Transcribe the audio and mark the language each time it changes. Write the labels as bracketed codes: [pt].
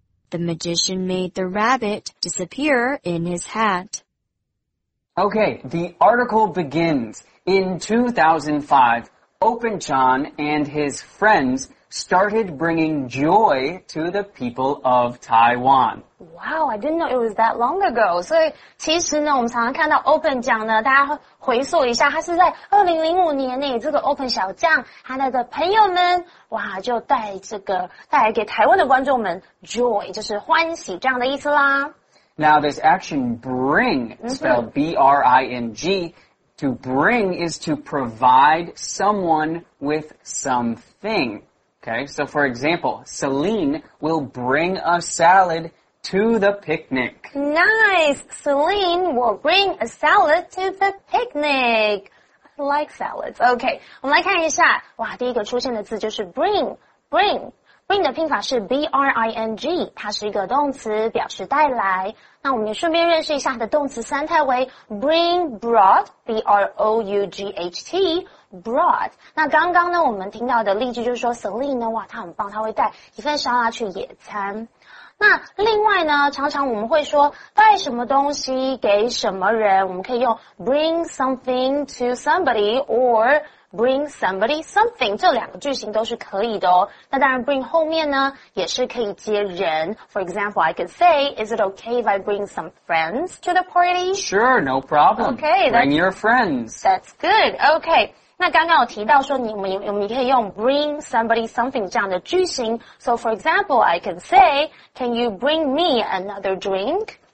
[en] The magician made the rabbit disappear in his hat. Okay, the article begins. In 2005, Open Zhang and his friends started bringing joy to the people of Taiwan. Wow, I didn't know it was that long ago. [zh] 所以其实呢，我们常常看到 Open 奖呢，大家回溯一下，它是在2005年呢，这个 Open 小将，他的朋友们，哇，就带这个带来给台湾的观众们 joy, 就是欢喜这样的意思啦。 [en] Now this action bring, spelled B-R-I-N-G, to bring is to provide someone with something. Okay, so for example, Celine will bring a salad. To the picnic. Nice! Celine will bring a salad to the picnic. I like salads. Okay, [zh] 我们来看一下。哇，第一个出现的字就是 bring, bring. Bring 的拼法是 B-R-I-N-G, 它是一个动词表示带来。那我们也顺便认识一下它的动词三态为 bring, brought, B-R-O-U-G-H-T, brought. 那刚刚呢，我们听到的例句就是说 Celine 呢，哇，她很棒，她会带一份沙拉去野餐。那另外呢，常常我们会说带什么东西给什么人，我们可以用 [en] bring something to somebody or bring somebody something. [zh] 这两个句型都是可以的哦。那当然 bring 后面呢也是可以接人。 [en] For example, I could say, is it okay if I bring some friends to the party? Sure, no problem. Okay, bring your friends. That's good. Okay. [zh] 那刚刚有提到说我们可以用 [en] bring somebody something [zh] 这样的句型 [en] So for example, I can say Can you bring me another drink?